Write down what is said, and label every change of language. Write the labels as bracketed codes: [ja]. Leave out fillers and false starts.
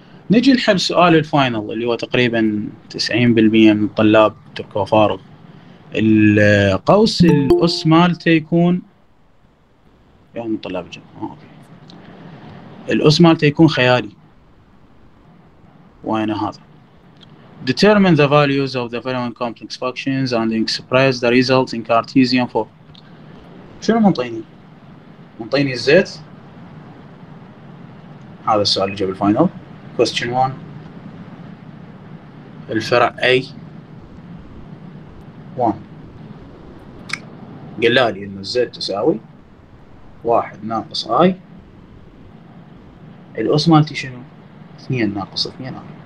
[ar] نجي نحب سؤال الفاينل اللي هو تقريبا 90% من الطلاب تركوا فارغ. القوس الأس مالته يكون يوم الطلاب جاء الأس مالته يكون خيالي وين هذا. [en] Determine the values of the following complex functions and express the results in Cartesian form. [ar] شنو منطيني؟ منطيني الزيت. هذا السؤال اللي جاب الفاينل. Question 1 الفرع A 1 قال لي ان الزيت تساوي 1 ناقص I الأس مالتي شنو 2 ناقص 2 I.